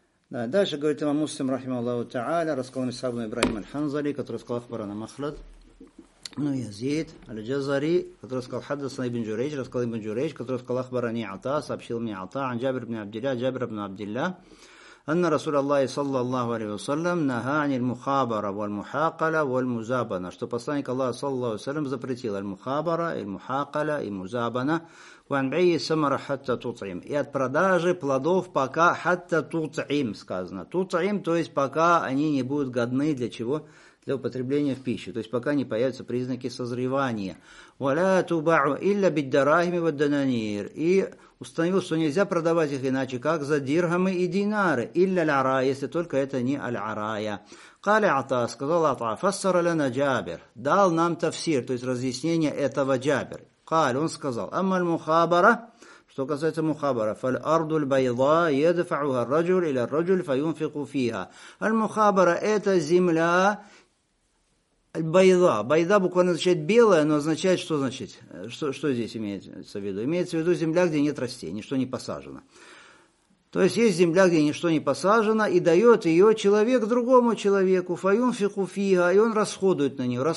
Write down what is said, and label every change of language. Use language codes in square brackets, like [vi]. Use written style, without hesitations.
[ru] Да, дальше говорит имам Муслим, рахималлаху та'аля, рассказал Исхак ибн Ибрахим аль-Ханзали, который сказал Ахбарана Махлад, ну Язид аль-Джазари, который сказал Хаддасана ибн Джурейдж, рассказал ибн Джурейдж, который сказал Ахбарани Ата, сообщил мне Ата, Джабир ибн Абдилля, Джабир ибн Абдилля, [ar] أن رسول الله صلى الله عليه وسلم نهى عن المخابرة والمحاقلة والمزابنة. [ru] Что посланник Аллаха [ar] صلى الله عليه وسلم [ru] запретил المخابرة, المحاقلة, المزابنة. [ar] وعن بيع السمر حتى تطعم. [ru] И от продажи плодов пока [ar] حتى تطعم [ru] сказано. تطعم, то есть пока они не будут годны для чего? Для употребления в пищу. То есть пока не появятся признаки созревания. [ar] وَلَا تُبَعُوا إِلَّا بِالدَّرَاهِمِ وَالدَّنَانِيرِ. [ru] И установил, что нельзя продавать их иначе, как за дирхамы и динары. [ar] إِلَّا الْعَرَاءِ. [ru] Если только это не аль-араия. [ar] قَالَ عَطَى. [ru] Сказал [ar] عَطَى. فَسَّرَ لَنَا جَابِر. [ru] Дал нам тафсир, то есть разъяснение этого джабир. [ar] قَالَ. [ru] Он сказал. [ar] أَمَّا الْمُخَابَرَ. [ru] Что касается мухабара, [ar] فَالْأَرْضُ الْبَيْضَى يَدْفَعُهَا الرَّجُلُ إِلَى الرَّجُلِ فَيُنْفِقُ فِيهَا. [ru] Аль-мухабара – это земля байда. Байда буквально означает белая, но означает, что значит? Что здесь имеется в виду? Имеется в виду земля, где нет растений, ничто не посажено. То есть есть земля, где ничто не посажено, и дает ее человек другому человеку, [ar] فَيُنْفِقُ فِيهَا, [ru] и он расходует на нее.